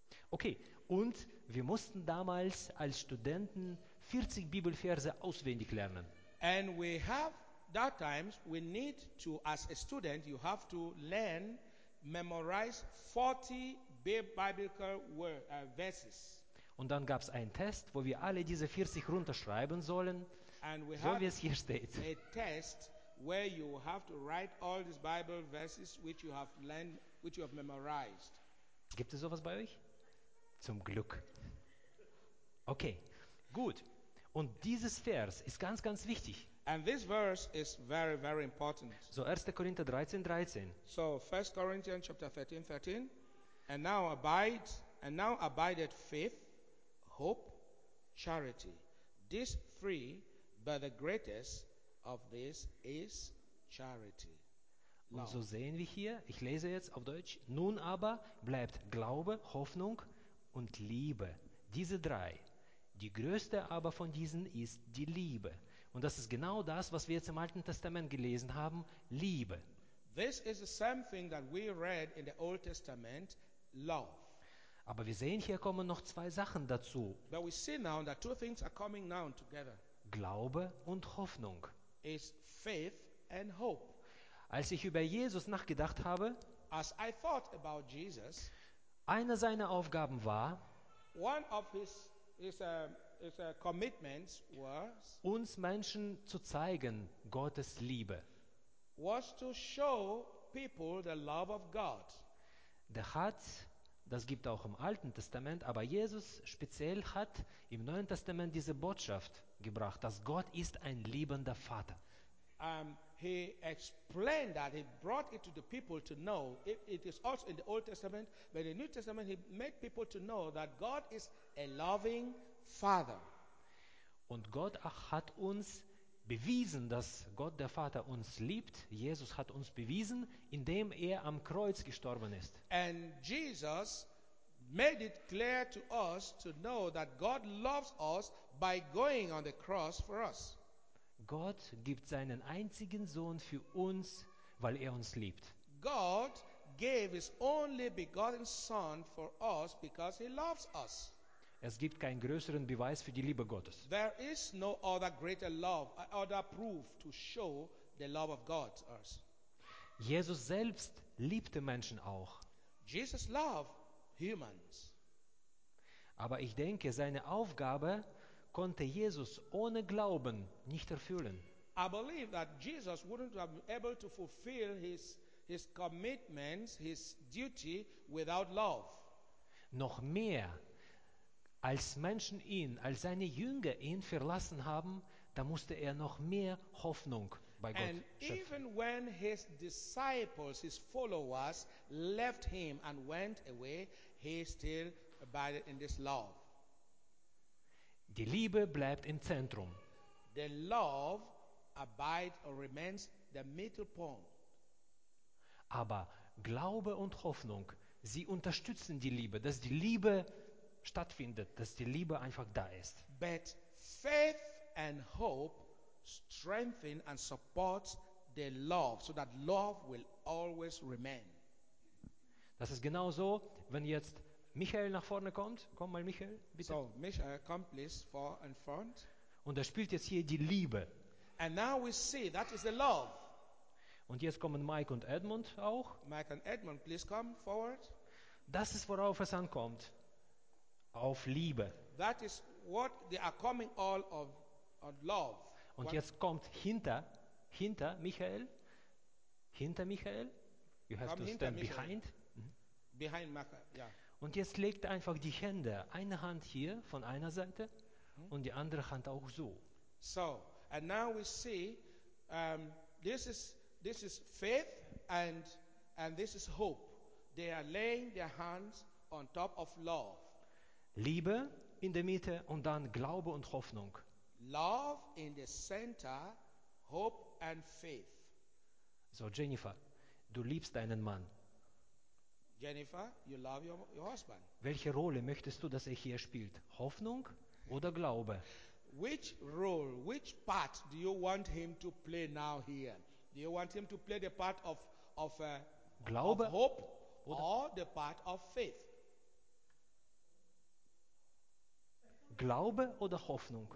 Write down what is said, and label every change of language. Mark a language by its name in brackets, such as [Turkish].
[German] Okay, und wir mussten damals als Studenten 40 Bibelverse auswendig lernen. [English] And we have that times we need to, as a student, you have to learn, memorize 40 biblical verses. [German] Und dann gab es einen Test, wo wir alle diese 40 runterschreiben sollen, [English] and we so have [German] wie es hier steht. [English] A test where you have to write all these Bible verses which you have learned, which you have memorized. [German] Gibt es sowas bei euch? Zum Glück. Okay, gut. Und dieses Vers ist ganz, ganz wichtig. [English] And this verse is very, very important. [German] So 1. Korinther 13, 13. [English] So 1. Corinthians chapter 13, 13. And now abideth faith, hope, charity. These three, but the greatest of these is charity. [German] Und so sehen wir hier, ich lese jetzt auf Deutsch, nun aber bleibt Glaube, Hoffnung und Liebe. Diese drei. Die größte aber von diesen ist die Liebe. Und das ist genau das, was wir jetzt im Alten Testament gelesen haben, Liebe. [English] This is the same thing that we read in the Old Testament, love. [German] Aber wir sehen, hier kommen noch zwei Sachen dazu. [English] But we see now that two things are coming now together. [German] Glaube und Hoffnung. [English] Is faith and hope. [German] Als ich über Jesus nachgedacht habe, [English] as I thought about Jesus, [German] eine seiner Aufgaben war, [English] one of his commitments was, [German] uns Menschen zu zeigen, Gottes Liebe. [English] Was to show people the love of God. [German] Der hat, das gibt auch im Alten Testament, aber Jesus speziell hat im Neuen Testament diese Botschaft gebracht, dass Gott ist ein liebender Vater. [English] He explained that, he brought it to the people to know, it is also in the Old Testament, but in the New Testament he made people to know that God is a loving Father. [German] Und Gott hat uns bewiesen, dass Gott der Vater uns liebt, Jesus hat uns bewiesen, indem er am Kreuz gestorben ist. [English] And Jesus made it clear to us to know that God loves us by going on the cross for us. [German] Gott gibt seinen einzigen Sohn für uns, weil er uns liebt. [English] God gave his only begotten Son for us because he loves us. [German] Es gibt keinen größeren Beweis für die Liebe Gottes. [English] There is no other greater love, other proof to show the love of God to us. [German] Jesus selbst liebte Menschen auch. [English] Jesus loved humans. [German] Aber ich denke, seine Aufgabe konnte Jesus ohne Glauben nicht erfüllen. [English] I believe that Jesus wouldn't have been able to fulfill his commitments, his duty without love. [German] Noch mehr, als Menschen ihn, als seine Jünger ihn verlassen haben, da musste er noch mehr Hoffnung bei Gott schöpfen. [English] And even when his disciples, his followers left him and went away, he still abided in this love. [German] Die Liebe bleibt im Zentrum. [English] The love abides or remains the middle point. [German] Aber Glaube und Hoffnung, sie unterstützen die Liebe, dass die Liebe stattfindet, dass die Liebe einfach da ist. [English] But faith and hope strengthen and support the love, so that love will always remain. [German] Das ist genau so, wenn jetzt Michael nach vorne kommt. Komm mal, Michael, bitte. [English] So, Michael, come please, for and front. [German] Und er spielt jetzt hier die Liebe. [English] And now we see, that is the love. [German] Und jetzt kommen Mike und Edmund auch. [English] Mike and Edmund, please come forward. [German] Das ist, worauf es ankommt. Auf Liebe. [English] That is what they are coming all of, on love. [German] Und jetzt kommt hinter Michael. Hinter Michael. [English] You have come to stand Michael. Behind. Mm-hmm. Behind Michael, yeah. [German] Und jetzt legt einfach die Hände, eine Hand hier von einer Seite, mm-hmm, und die andere Hand auch so. [English] So, and now we see, this is faith and this is hope. They are laying their hands on top of love. [German] Liebe in der Mitte und dann Glaube und Hoffnung. [English] Love in the center, hope and faith. [German] So, Jennifer, du liebst deinen Mann. [English] Jennifer, you love your husband. [German] Welche Rolle möchtest du, dass er hier spielt? Hoffnung oder Glaube? [English] Which role, which part do you want him to play now here? Do you want him to play the part of [German] Glaube [English] of hope or the part of faith? [German] Glaube oder Hoffnung?